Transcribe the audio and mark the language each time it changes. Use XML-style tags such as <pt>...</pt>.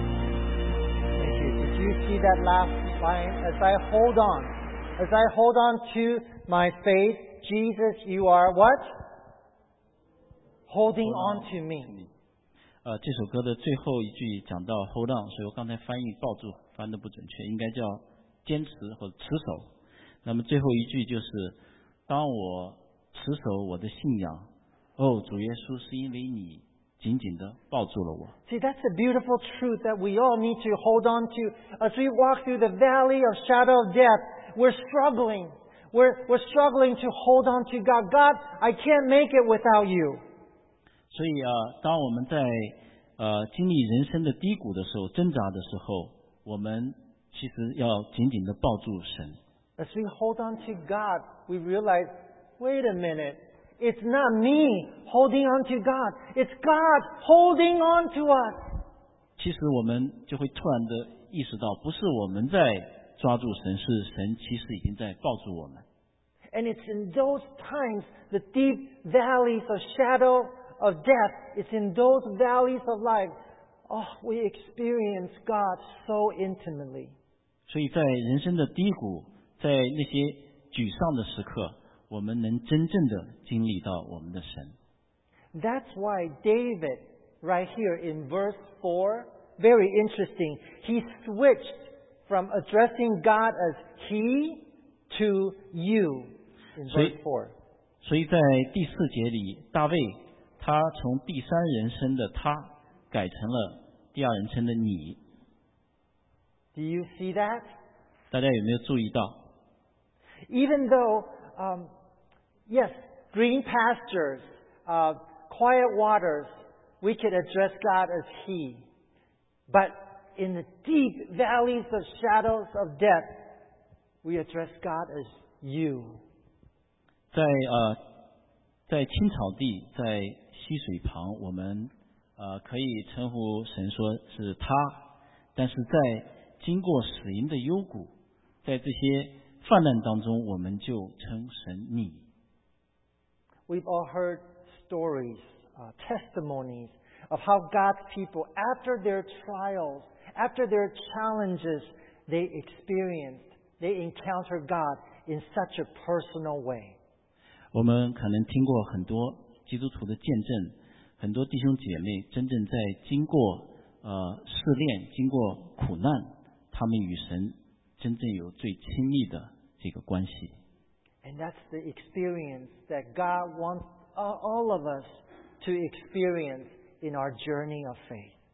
<en>that last line, as I hold on to my faith, Jesus, you are what? Holding on to me.</en> <zh>这首歌的最后一句讲到</zh> <en>hold on，</en> <zh>所以我刚才翻译抱住，翻得不准确，应该叫坚持或者持守。那么最后一句就是，当我持守我的信仰，哦，主耶稣是因为你紧紧地抱住了我。</zh> <en>See, that's a beautiful truth that we all need to hold on to. As we walk through the valley of shadow of death, we're struggling. We're struggling to hold on to God. God, I can't make it without you.</en> <zh>所以啊，当我们在经历人生的低谷的时候，挣扎的时候，我们其实要紧紧地抱住神。</zh> <en>As we hold on to God, we realize, wait a minute, it's not me holding on to God, it's God holding on to us.</en> <zh>其实我们就会突然地意识到，不是我们在抓住神，是神其实已经在抱住我们。</zh> <en>And it's in those times, the deep valleys of shadow of death, it's in those valleys of life, oh, we experience God so intimately.</en> <zh>所以在人生的低谷，在那些沮丧的时刻，我们能真正的经历到我们的神。</zh> <en>That's why David, right here in verse 4, very interesting, he switched from addressing God as he to you in verse 4.</en> <zh>所以在第四节里，大卫他从第三人称的他改成了第二人称的你。</zh> <en>Do you see that?</en> <zh>大家有没有注意到？</zh> <en>Even though, yes, green pastures, quiet waters, we could address God as He. But in the deep valleys of shadows of death, we address God as you.</en> <zh>在青草地，在溪水旁，我们可以称呼神说是他，但是在经过死荫的幽谷，在这些泛滥当中，我们就称神你。</zh> <en>We've all heard stories, testimonies of how God's people, after their trials, after their challenges, they encounter God in such a personal way.</en> <zh>我们可能听过很多基督徒的见证，很多弟兄姐妹真正在经过试炼、经过苦难，他们与神真正有最亲密的。</zh> <en>And that's the experience that God wants all of us to experience in our journey of faith.</en>